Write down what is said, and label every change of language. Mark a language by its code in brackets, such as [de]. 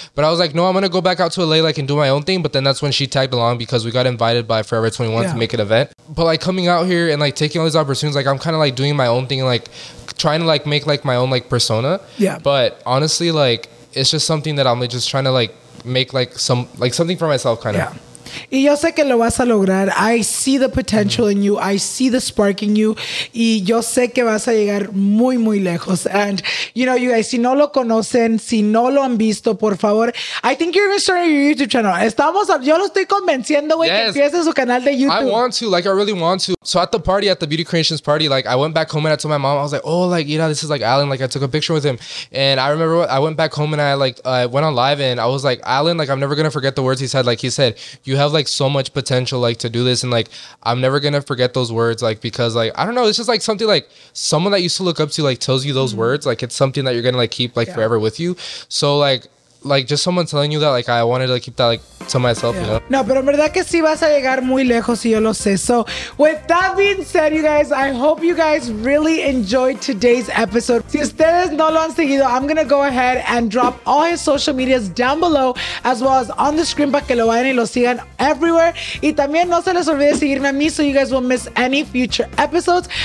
[en] But I was like, no, I'm gonna go back out to LA, like, and do my own thing. But then that's when she tagged along, because we got invited by Forever 21 to make an event. But like, coming out here and like taking all these opportunities, like, I'm kind of like doing my own thing, like trying to like make like my own like persona. Yeah. But honestly, like, it's just something that I'm like just trying to like make like something for myself, kind of. Yeah. [es] Y yo sé que lo vas a lograr. [en] I see the potential in you. I see the spark in you. [es] Y yo sé que vas a llegar muy, muy lejos. [en] And, you know, you guys, [es] si no lo conocen, si no lo han visto, por favor, [en] I think you're going to start your YouTube channel. [es] Yo lo estoy convenciendo, güey, yes, que empiece su canal de YouTube. [en] I want to. Like, I really want to. So at the party, at the Beauty Creations party, like, I went back home and I told my mom, I was like, oh, like, you know, this is like Alan. Like, I took a picture with him. And I remember I went back home and I, like, went on live and I was like, Alan, like, I'm never going to forget the words he said. Like, he said, you have, like, so much potential, like, to do this. And, like, I'm never going to forget those words, like, because, like, I don't know. It's just, like, something, like, someone that you used to look up to, like, tells you those words. Like, it's something that you're going to, like, keep, like, yeah, forever with you. So, like, just someone telling you that, like, I wanted to, like, keep that, like, to myself, yeah, you know? [es] No, pero en verdad que sí vas a llegar muy lejos y yo lo sé. [en] So, with that being said, you guys, I hope you guys really enjoyed today's episode. [es] Si ustedes no lo han seguido, [en] I'm gonna go ahead and drop all his social medias down below as well as on the screen [es] para que lo vayan y lo sigan [en] everywhere. [es] Y también no se les olvide seguirme a mí [en] so you guys won't miss any future episodes.